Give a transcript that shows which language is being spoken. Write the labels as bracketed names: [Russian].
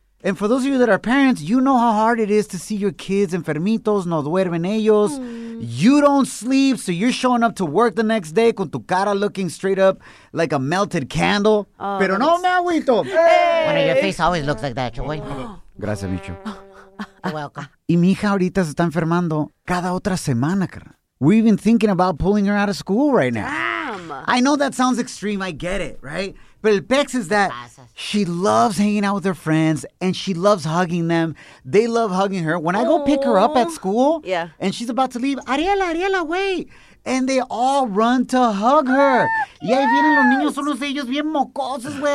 [English] And for those of you that are parents, you know how hard it is to see your kids [Spanish] enfermitos, no duermen ellos. [English] Mm. You don't sleep, so you're showing up to work the next day [Spanish] con tu cara [English] looking straight up like a melted candle. [Spanish] Oh, pero no, me agüito. [English] Bueno, your face always looks like that, Joey. [Spanish] Gracias, Micho. [English] Welcome. [Spanish] Y mi hija ahorita se está enfermando cada otra semana, cara. [English] We're even thinking about pulling her out of school right now. Damn. I know that sounds extreme. I get it, right? But [Spanish] el pex [English] is that she loves hanging out with her friends and she loves hugging them. They love hugging her. When I go pick her up at school and she's about to leave, Ariela, Ariela, wait. And they all run to hug her. Yes. [Spanish] Y ahí vienen los niños, unos de ellos bien mocosos, güey.